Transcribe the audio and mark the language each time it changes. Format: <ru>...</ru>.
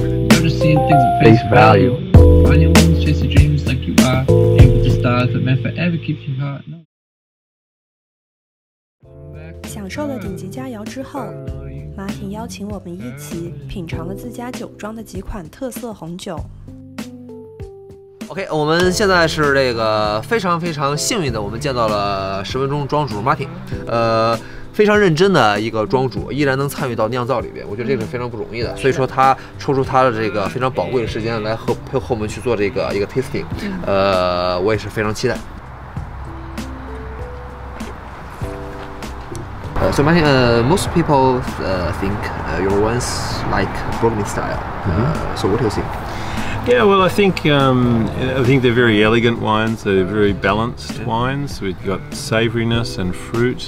<en>You're just seeing things at face value. Find your wounds, chase your dreams like you are. Aim for the stars, but may forever keep your heart. No.</en> <zh>享受了顶级佳肴之后，马挺邀请我们一起品尝了自家酒庄的几款特色红酒。 OK， 我们现在是这个非常非常幸运的，我们见到了十分钟庄主马挺，非常认真的一个庄主，依然能参与到酿造里边，我觉得这个是非常不容易的。所以说他抽出他的这个非常宝贵的时间来和我们去做这个一个 tasting， 我也是非常期待。</zh> <en>So Martin, most people think your wines like Burgundy style. So what do you think? Yeah, well, I think they're very elegant wines. They're very balanced wines. We've got savouriness and fruit.</en>